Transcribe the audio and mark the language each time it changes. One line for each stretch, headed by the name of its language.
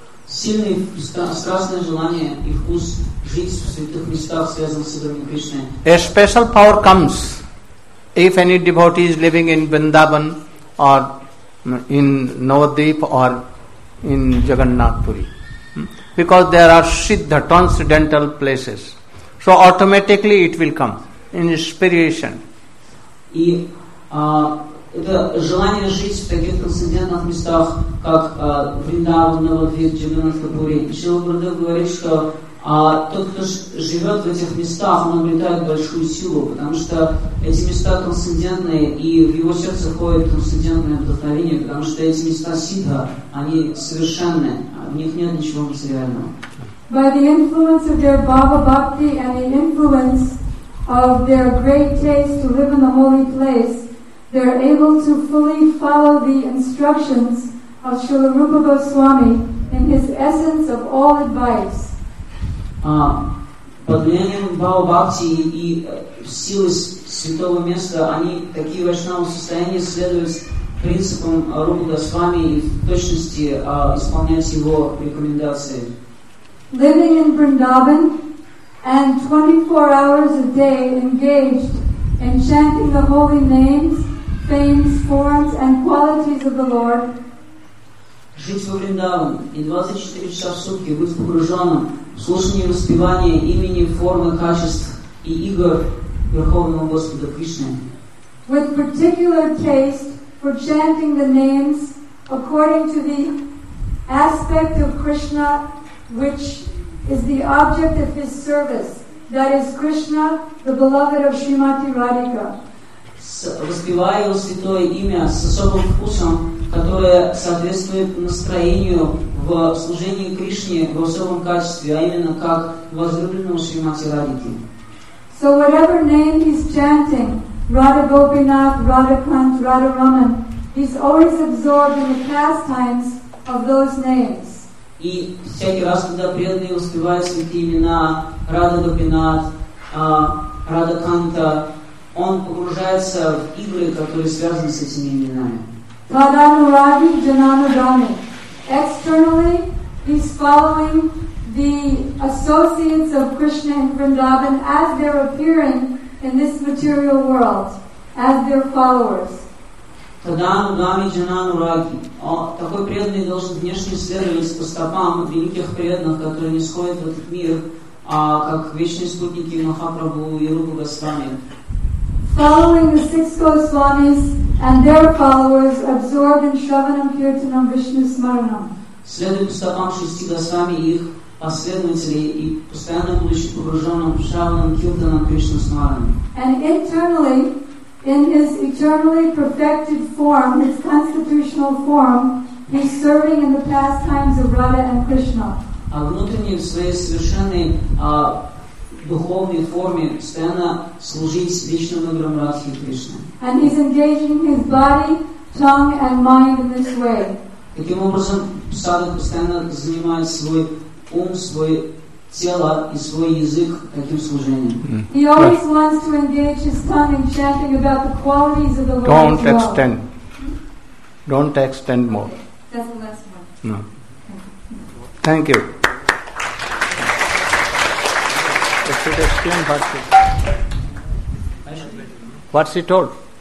Russian: Сильный страстное желание и вкус жить в святых местах связан с этим Кришной.
English: A special power comes if any devotee is living in Vrindavan or in Navadvip or in Jagannath Puri. Because there are Siddha, transcendental places. So automatically it will come. Inspiration.
Russian: И это желание жить в таких трансцендентных местах, как Вриндаван, Навадвип, Джаганнатх Пури. Шрила Прабхупада говорит, что тот, кто живет в этих местах, он обретает большую силу, потому что эти места трансцендентные, и в его сердце ходит трансцендентное вдохновение, потому что эти места Сиддха, они совершенны.
English: By the influence of their bhava bhakti and the influence of their great taste to live in the holy place, they are able to fully follow the instructions of Srila Rupa Goswami in his essence of all advice.
Russian: Под влиянием бхава бхакти и силы святого места они такие вайшнавы в состоянии следуют принципом Рупы Госвами и в точности исполнять его рекомендации.
English: Living in Vrindavan and 24 hours a day engaged in chanting the holy names, fames, forms and qualities of the Lord.
Russian: Жить во Вриндаван и 24 часа в сутки быть погруженным в слушание и воспевание имени, формы, качеств и игр Верховного Господа Кришны.
English: With particular taste for chanting the names according to the aspect of Krishna which is the object of his service, that is Krishna, the beloved of Srimati Radhika.
Russian: Воспевая его святое имя с особым вкусом, которое соответствует настроению в служении Кришне в особом качестве, а именно как возлюбленному Шримати Радхики.
English: So whatever name he's chanting, Radha Gopinath, Radha Kant, Radha Raman, he's always absorbed in the pastimes of those names.
Russian: И всякий раз, когда преданные воспевают святые имена Радха Гопинат, Радха Канта, он погружается в игры, которые связаны с этими именами.
Sanskrit: Таданурадхи Джананурадхи.
English: Externally, he's following the associates of Krishna and Vrindavan as they're appearing in this material world, as their followers.
Sanskrit: Тадану Гами Джанану Раги.
Russian: Такой преданный должен внешне следовать по стопам великих преданных, которые не сходят в этот мир, как вечные спутники Махапрабху и Рупа Госвами.
English: Following the six Госвамис and their followers absorbed in Shravanam Kirtanam Vishnu Smaranam.
Russian: Следуя по стопам шести Госвами и их последователей и постоянно будучи погруженным в Шравнам Киртанам Кришна Смаранам.
English: And internally, in his eternally perfected form, his constitutional form, he's serving in the pastimes of Radha and Krishna.
Russian: А внутренне в своей совершенной духовной форме постоянно служить вечным играм Радхи Кришны.
English: And he's engaging his body, tongue, and mind in this way.
Russian: Таким образом, садхак постоянно занимает свой ум, свой тело и свой язык таким служением.
English: He always wants to engage his tongue in chanting about the qualities of the Lord. Don't extend. Don't extend more. That's the last one. No. Thank you. If you extend, what's he told?